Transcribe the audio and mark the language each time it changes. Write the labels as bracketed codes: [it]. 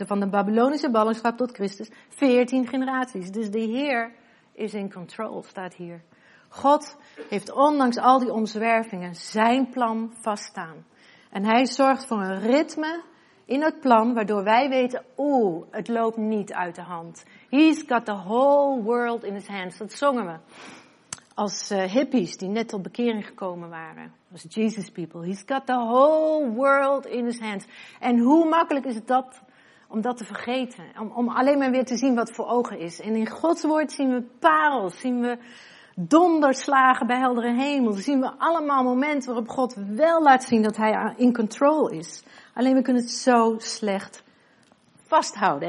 [nl] En van de Babylonische ballingschap tot Christus 14 generaties. Dus de Heer is in control, staat hier. God heeft ondanks al die omzwervingen zijn plan vaststaan. En hij zorgt voor een ritme in het plan waardoor wij weten, oeh, het loopt niet uit de hand. [en] He's got the whole world in his hands. [nl] Dat zongen we als hippies die net tot bekering gekomen waren. Als Jesus people. [en] He's got the whole world in his hands. [nl] En hoe makkelijk is het dat om dat te vergeten? Om alleen maar weer te zien wat voor ogen is. En in Gods woord zien we parels, zien we donderslagen bij heldere hemel. Zien we allemaal momenten waarop God wel laat zien dat hij in control is. Alleen we kunnen het zo slecht vasthouden.